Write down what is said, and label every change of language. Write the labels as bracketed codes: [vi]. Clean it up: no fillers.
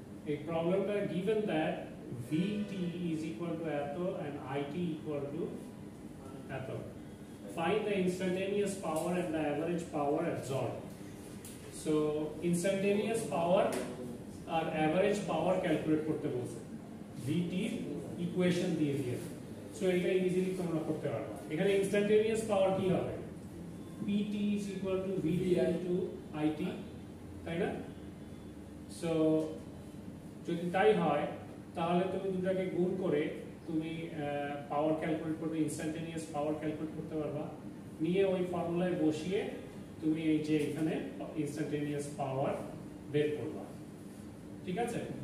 [bn] এই প্রবলেমটা [en] Given that V T is equal to এত and I T equal to এত, find the instantaneous power and the average power absorb. [bn] So instantaneous power আর average power calculate করতে বলছে, V T equation দিয়ে দিয়েছে। So এটা easily তোমরা করতে পারবে। এখানে ইনস্ট্যান্টেনিয়াস পাওয়ার কী হবে, [en] PT is equal to VDI to IT, right? So, [bn] যদি তাই হয় তাহলে তুমি দুটাকে গুণ করে তুমি পাওয়ার ক্যালকুলেট করবে, ইনস্ট্যান্টেনিয়াস পাওয়ার ক্যালকুলেট করতে পারবা, নিয়ে ওই ফর্মুলায় বসিয়ে তুমি এই যে এখানে ইনস্ট্যান্টেনিয়াস পাওয়ার বের করবা, ঠিক আছে?